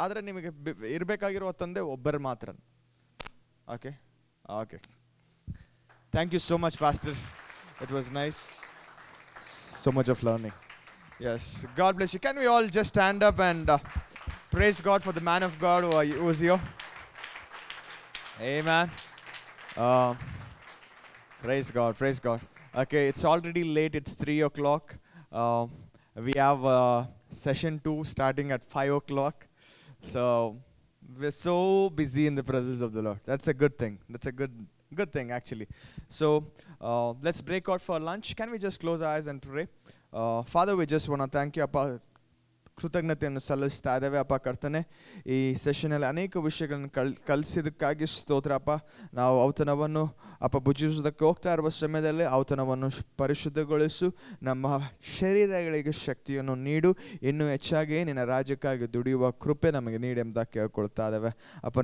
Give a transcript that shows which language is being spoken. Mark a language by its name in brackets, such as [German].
[Kannada] ಆದರೆ ನಿಮಗೆ ಇರಬೇಕಾಗಿರುವ ತಂದೆ ಒಬ್ಬರು ಮಾತ್ರ. [English] Okay okay, thank you so much pastor. It was nice, so much of learning. Yes, God bless you. Can we all just stand up and praise God for the man of God use yo a man. Praise God, praise God. Okay, it's already late, it's 3 o'clock. We have session 2 starting at 5 o'clock. So, we're so busy in the presence of the Lord. That's a good thing. That's a good thing, actually. So, let's break out for lunch. Can we just close our eyes and pray? Father, we just want to thank you. [Kannada] Appa, ಕೃತಜ್ಞತೆಯನ್ನು ಸಲ್ಲಿಸ್ತಾ ಇದ್ದೇವೆ ಅಪ್ಪ ಕರ್ತನೆ. ಈ ಸೆಷನಲ್ಲಿ ಅನೇಕ ವಿಷಯಗಳನ್ನು ಕಲಿಸಿದ್ದಕ್ಕಾಗಿ ಸ್ತೋತ್ರ ಅಪ್ಪ. ನಾವು ಔತಣವನ್ನು ಅಪ್ಪ ಭುಜಿಸೋದಕ್ಕೆ ಹೋಗ್ತಾ ಇರುವ ಸಮಯದಲ್ಲಿ ಔತಣವನ್ನು ಪರಿಶುದ್ಧಗೊಳಿಸು, ನಮ್ಮ ಶರೀರಗಳಿಗೆ ಶಕ್ತಿಯನ್ನು ನೀಡು, ಇನ್ನೂ ಹೆಚ್ಚಾಗಿ ನಿನ್ನ ರಾಜ್ಯಕ್ಕಾಗಿ ದುಡಿಯುವ ಕೃಪೆ ನಮಗೆ ನೀಡಿ ಎಂಬ ಕೇಳ್ಕೊಳ್ತಾ ಇದ್ದೇವೆ ಅಪ್ಪ.